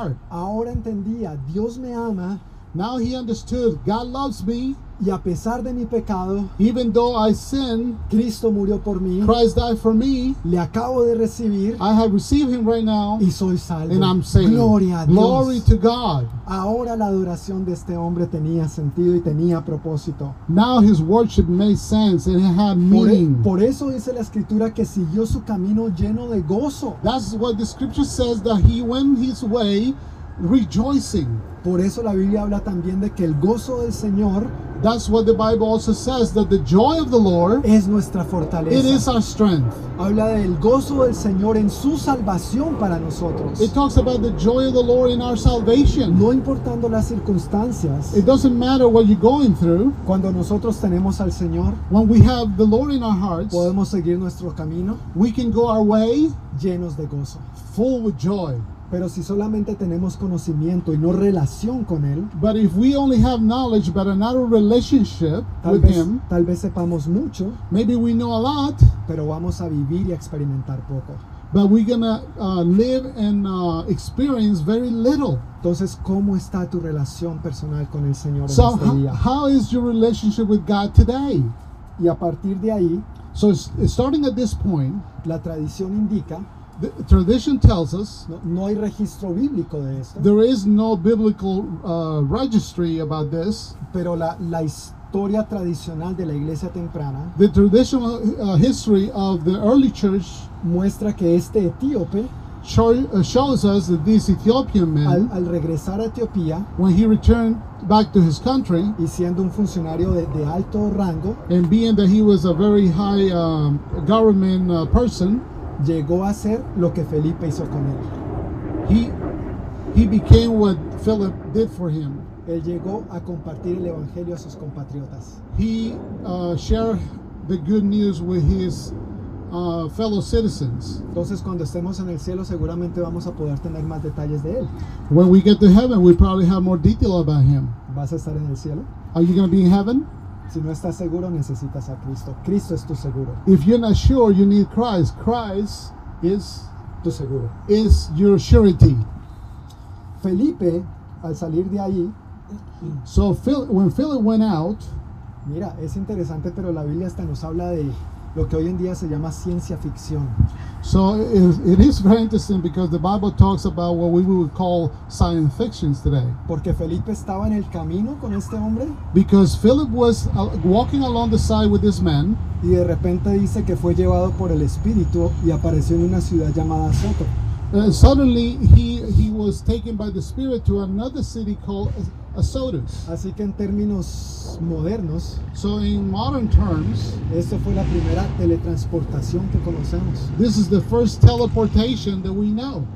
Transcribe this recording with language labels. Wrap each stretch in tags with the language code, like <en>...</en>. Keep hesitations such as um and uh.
<es>Ahora entendía, Dios me ama.</es> <en>Now he understood, God loves me.</en> <es>Y a pesar de mi pecado,</es> <en>even though I sin,</en> <es>Cristo murió por mí.</es> <en>Christ died for me.</en> <es>Le acabo de recibir.</es> <en>I have received him right now.</en> <es>Y soy salvo.</es> <en>And I'm saved.</en> <es>Gloria a Dios.</es> <en>Glory to God.</en> <es>Ahora la adoración de este hombre tenía sentido y tenía propósito.</es> <en>Now his worship made sense and it had meaning.</en> <es>Por, por eso dice la escritura que siguió su camino lleno de gozo.</es> <en>That's what the scripture says that he went his way rejoicing.</en> <es>Por eso la Biblia habla también de que el gozo del Señor</es> <en>That's what the Bible also says that the joy of the Lord</en> <es>es nuestra fortaleza.</es> <en>It is our strength.</en> <es>Habla del de gozo del Señor en su salvación para nosotros.</es> <en>It talks about the joy of the Lord in our salvation.</en> <es>No importando las circunstancias.</es> <en>It doesn't matter what you're going through.</en> <es>Cuando nosotros tenemos al Señor,</es> <en>when we have the Lord in our hearts,</en> <es>podemos seguir nuestro camino.</es> <en>We can go our way</en> <es>llenos de gozo.</es> <en>Full with joy.</en> <es>Pero si solamente tenemos conocimiento y no relación con él,</es> <en>but if we only have knowledge but not a relationship with vez, him,</en> <es>tal vez sepamos mucho,</es> <en>maybe we know a lot,</en> <es>pero vamos a vivir y a experimentar poco.</es> <en>But we're gonna uh, live and uh, experience very little.</en> <es>Entonces, ¿cómo está tu relación personal con el Señor so este hoy día?</es> <en>How, how is your relationship with God today?</en> <es>Y a partir de ahí,</es> <en>so starting at this point,</en> <es>la tradición indica</es> <en>The tradition tells us no, no there is no biblical uh, registry about this.</en> <es>Pero la, la historia tradicional de la iglesia temprana</es> <en>the traditional uh, history of the early church</en> <es>muestra que este etíope</es> <en>show, uh, shows us that this Ethiopian man,</en> <es>al, al regresar a Etiopía,</es> <en>when he returned back to his country,</en> <es>y siendo un funcionario de, de alto rango,</es> <en>and being that he was a very high um, government person,</en> <es>llegó a hacer lo que Felipe hizo con él.</es> <en>He, he became what Philip did for him.</en> <es>Él llegó a compartir el evangelio a sus compatriotas.</es> <en>He uh, shared the good news with his uh, fellow citizens.</en> <es>Entonces, cuando estemos en el cielo, seguramente vamos a poder tener más detalles de él.</es> <en>When we get to heaven, we probably have more detail about him.</en> <es>¿Vas a estar en el cielo?</es> <en>Are you going to be in heaven?</en> <es>Si no estás seguro, necesitas a Cristo. Cristo es tu seguro.</es> <en>If you're not sure, you need Christ. Christ is</en> <es>tu seguro. Es</es> <en>your surety.</en> <es>Felipe, al salir de ahí... Allí...</es> <en>so when Philip went out,</en> <es>mira, es interesante, pero la Biblia hasta nos habla de lo que hoy en día se llama ciencia ficción.</es> <en>So it, it, is very interesting because the Bible talks about what we would call science fictions today.</en> <es>Porque Felipe estaba en el camino con este hombre.</es> <en>Because Philip was walking along the side with this man.</en> <es>Y de repente dice que fue llevado por el espíritu y apareció en una ciudad llamada Soto.</es> <en>Uh, suddenly he he was taken by the spirit to another city called Asodus.</en> <es>Así que en términos modernos,</es> <en>so in modern terms,</en> <es>esto fue la primera teletransportación que conocemos.</es> <en>This is the first teleportation that we know.</en>